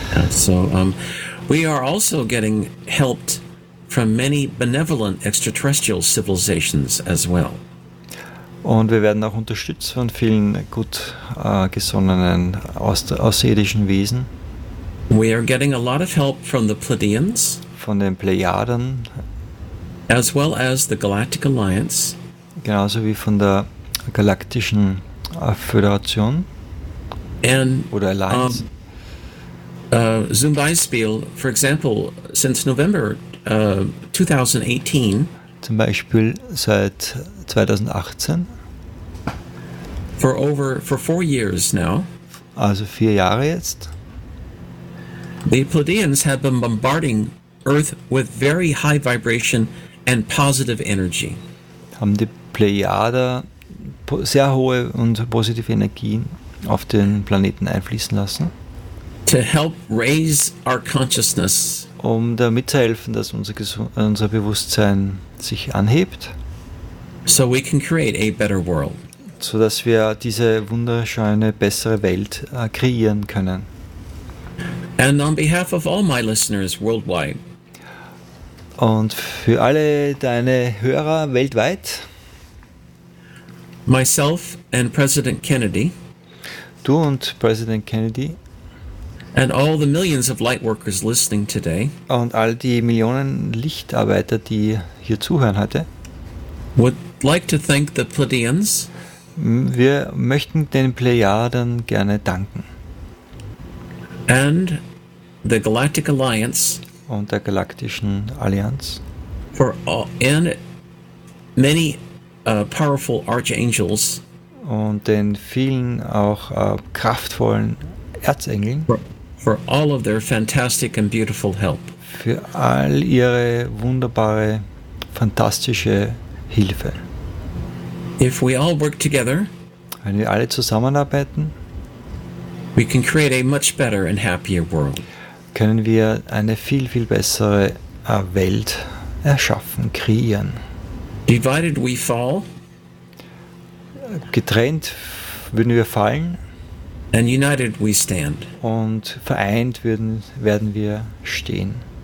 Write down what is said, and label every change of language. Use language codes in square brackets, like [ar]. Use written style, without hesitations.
[en] So, we are also getting helped from many benevolent extraterrestrial civilizations as well. [de] Und wir werden auch unterstützt von vielen gut gesonnenen außerirdischen Wesen. [en] We are getting a lot of help from the Pleiadians. [de] Von den Plejaden. [en] As well as the Galactic Alliance. [de] Genauso wie von der galaktischen Föderation [en] and, [de] oder Alliance. Zum Beispiel, [en] for example, since November 2018. [de] Zum Beispiel seit 2018. [en] For 4 years now. [de] Also 4 Jahre jetzt. [en] The Pleiadians have been bombarding Earth with very high vibration and positive energy. [de] Haben die Plejader sehr hohe und positive Energien auf den Planeten einfließen lassen? [en] To help raise our consciousness. [de] Um damit zu helfen, dass unser Bewusstsein sich anhebt. [en] So we can create a better world. [de] So dass wir diese wunderschöne, bessere Welt kreieren können. [en] And on behalf of all my listeners worldwide. [de] Und für alle deine Hörer weltweit. [en] Myself and President Kennedy. [de] Du und Präsident Kennedy. [en] And all the millions of lightworkers listening today. [de] Und all die Millionen Lichtarbeiter, die hier zuhören heute. [en] Would like to thank the Pleiadians. [de] Wir möchten den Plejaden gerne danken. [en] And the Galactic Alliance. [de] Und der Galaktischen Allianz. [en] For all, and many powerful archangels. [de] Und den vielen auch kraftvollen Erzengeln. [en] For all of their fantastic and beautiful help. [de] Für all ihre wunderbare, fantastische Hilfe. [en] If we all work together, [de] wenn wir alle zusammenarbeiten, [en] we can create a much better and happier world. [de] Können wir eine viel, viel bessere Welt erschaffen, kreieren. [en] Divided we fall, [de] getrennt würden wir fallen. [en] And united we stand. [de] Und vereint werden wir stehen.